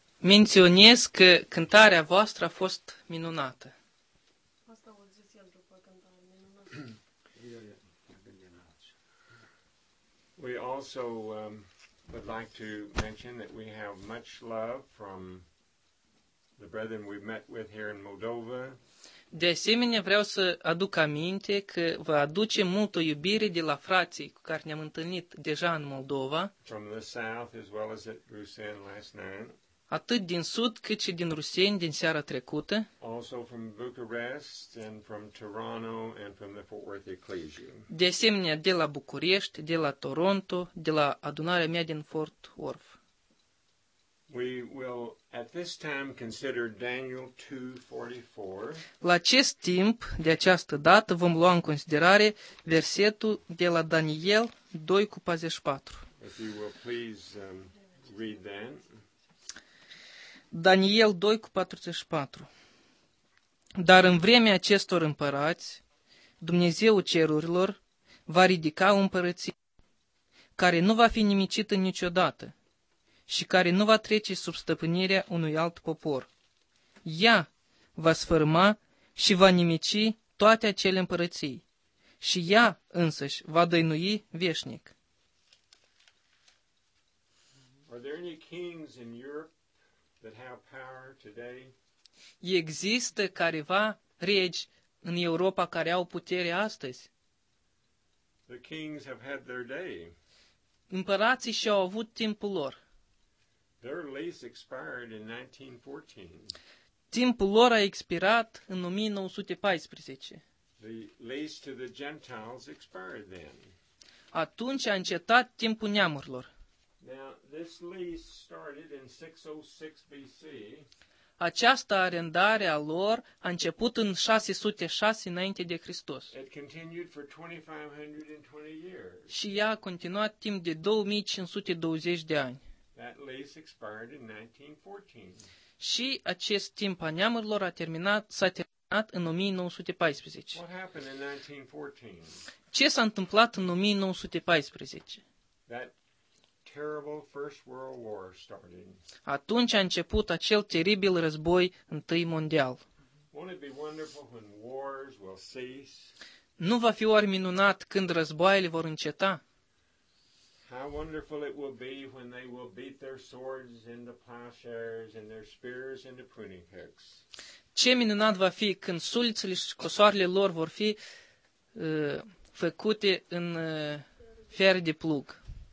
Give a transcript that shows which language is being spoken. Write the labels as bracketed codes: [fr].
[ro] Menționez că cântarea voastră a fost minunată. Asta a zis el după cântare, minunată. [en] We also would like to mention that we have much love from the brethren we've met with here in Moldova. [ro] De asemenea, vreau să aduc aminte că vă aducem multă iubire de la frații cu care ne-am întâlnit deja în Moldova. [en] From the south as well as at Rusen last night. [ro] Atât din sud, cât și din Ruseni din seara trecută. [en] Also from Bucharest and from Toronto and from the Fort Worth Ecclesia. [ro] De asemenea, de la București, de la Toronto, de la adunarea mea din Fort Worth. [en] We will at this time consider Daniel 2:44. [ro] La acest timp, de această dată, vom lua în considerare versetul de la Daniel 2:44. [en] If you will please read that. Daniel 2:44. [ro] Dar în vremea acestor împărați, Dumnezeu cerurilor va ridica o împărăție care nu va fi nimicită niciodată și care nu va trece sub stăpânirea unui alt popor. Ea va sfârma și va nimici toate acele împărății și ea însăși va dăinui veșnic. [en] Are there any kings in Europe that have power today? [ro] Există careva regi în Europa care au putere astăzi? [en] The kings have had their day. [ro] Împărații și-au avut timpul lor. [en] Their lease expired in 1914. [ro] Timpul lor a expirat în 1914. [en] The lease to the Gentiles expired then. [ro] Atunci a încetat timpul neamurilor. [en] Now, this lease started in 606 BC. [ro] Această arendare a lor a început în 606 înainte de Hristos. [en] It continued for 2520 years. [ro] Și ea a continuat timp de 2520 de ani. [en] That lease expired in 1914. [ro] Și acest timp a neamurilor s-a terminat în 1914. [en] What happened in 1914? [ro] Ce s-a întâmplat în 1914? [en] That terrible First World War started. [ro] Atunci a început acel teribil război întâi mondial. [en] Won't it be wonderful when wars will cease? [ro] Nu va fi oare minunat când războaiele vor înceta? [en] How wonderful it will be when they will beat their swords into plowshares and their spears into pruning hooks. [ro] Ce minunat va fi când sulițele și cosoarele lor vor fi făcute în fier de plug.